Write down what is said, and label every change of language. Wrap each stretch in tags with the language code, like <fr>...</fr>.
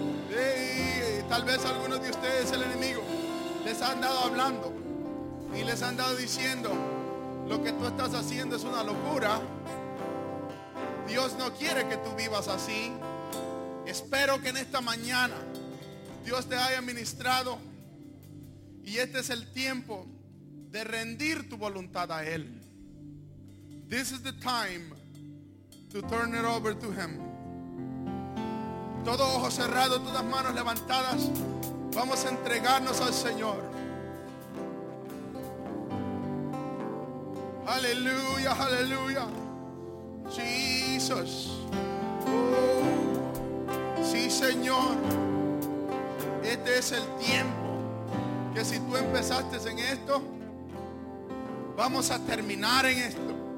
<es>Hey, tal vez algunos de ustedes, el enemigo, les han dado hablando y les han dado diciendo, lo que tú estás haciendo es una locura. Dios no quiere que tú vivas así. Espero que en esta mañana Dios te haya ministrado y este es el tiempo de rendir tu voluntad a Él.</es> <en>This is the time to turn it over to Him.</en> <es>Todo ojo cerrado, todas manos levantadas, vamos a entregarnos al Señor. Aleluya, aleluya. Jesús. Oh, sí, Señor. Este es el tiempo que si tú empezaste en esto, vamos a terminar en esto.</es>